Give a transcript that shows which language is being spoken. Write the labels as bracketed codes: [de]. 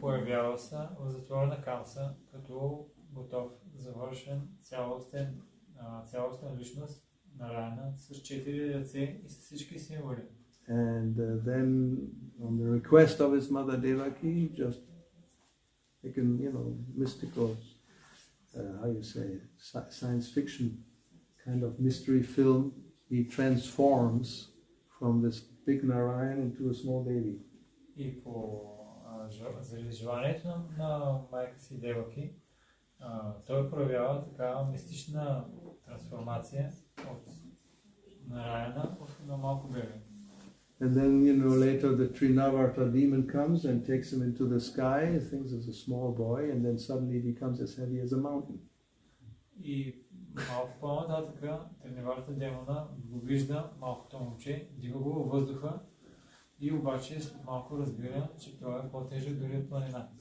[bg] Появява се в затвора на Камса като готов, завършен, цялостен личност на Нараяна с четири ръце и с всички символи. [en] And then on the request of his mother Devaki, just taken, you know, mystical, how you say, science fiction kind of mystery film, he transforms from this big Narayan into a small baby. [bg] И по заживанието на майка си Девоки, той проявява такава мистична трансформация от Нараяна на малко бебе. [en] And then, you know, later the Trinavarta demon comes and takes him into the sky, he thinks it's a small boy, and then suddenly he becomes as heavy as a mountain. [bg] И малко по-нататък Тринаварта демона го вижда малкото момче, дига го във въздуха, и обаче малко разбира, че това е по-тежък дори от планина.